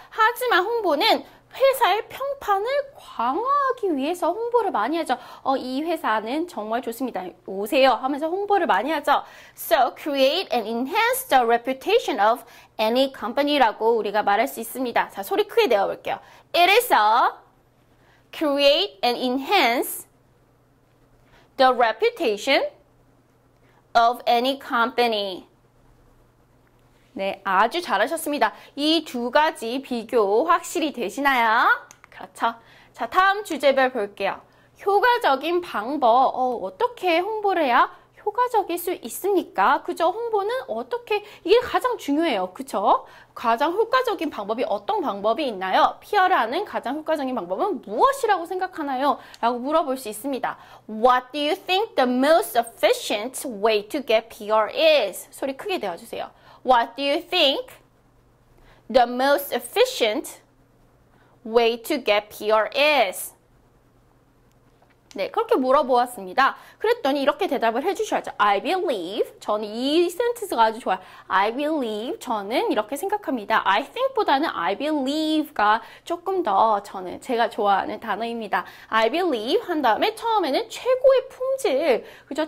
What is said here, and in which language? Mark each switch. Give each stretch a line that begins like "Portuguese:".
Korean: 하지만 홍보는 회사의 평판을 강화하기 위해서 홍보를 많이 하죠. 이 회사는 정말 좋습니다. 오세요 하면서 홍보를 많이 하죠.
English: So, create and enhance the reputation of any company라고 우리가 말할 수 있습니다.
Korean: 자, 소리 크게 내어볼게요.
English: It is a create and enhance the reputation of any company.
Korean: 네, 아주 잘하셨습니다. 이두 가지 비교 확실히 되시나요? 그렇죠. 자, 다음 주제별 볼게요. 효과적인 방법, 어떻게 홍보를 해야 효과적일 수 있습니까? 그죠? 홍보는 어떻게, 이게 가장 중요해요. 그쵸? 가장 효과적인 방법이 어떤 방법이 있나요? PR을 하는 가장 효과적인 방법은 무엇이라고 생각하나요? 라고 물어볼 수 있습니다.
English: What do you think the most efficient way to get PR is?
Korean: 소리 크게 내어주세요.
English: What do you think the most efficient way to get PR is?
Korean: 네, 그렇게 물어보았습니다. 그랬더니 이렇게 대답을 해주셔야죠.
English: I believe,
Korean: 저는 이 센텐스가 아주 좋아요. I believe, 저는 이렇게 생각합니다.
English: I think
Korean: 보다는
English: I believe
Korean: 가 조금 더 저는 제가 좋아하는 단어입니다.
English: I believe
Korean: 한 다음에 처음에는 최고의 품질, 그죠?